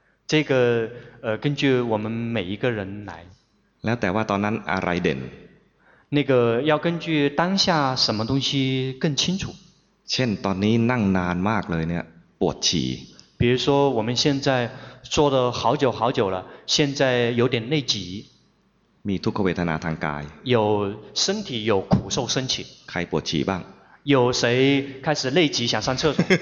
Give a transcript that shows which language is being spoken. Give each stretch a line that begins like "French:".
Chinese: 这个根据我们每一个人来
Thai: แล้วแต่ว่าตอนนั้นอะไรเด่น
Chinese: 那个要根据当下什么东西更清楚
Thai: เช่นตอนนี้นั่งนานมากเลยเนี่ยปวดฉี่
Chinese: 比如说我们现在坐了好久好久了现在有点内急
Thai: มีทุกขเวทนาทางกาย
Chinese: 有身体有苦受升起
Thai: ใครปวดฉี่บ้าง
Chinese: 有谁开始内急想上厕所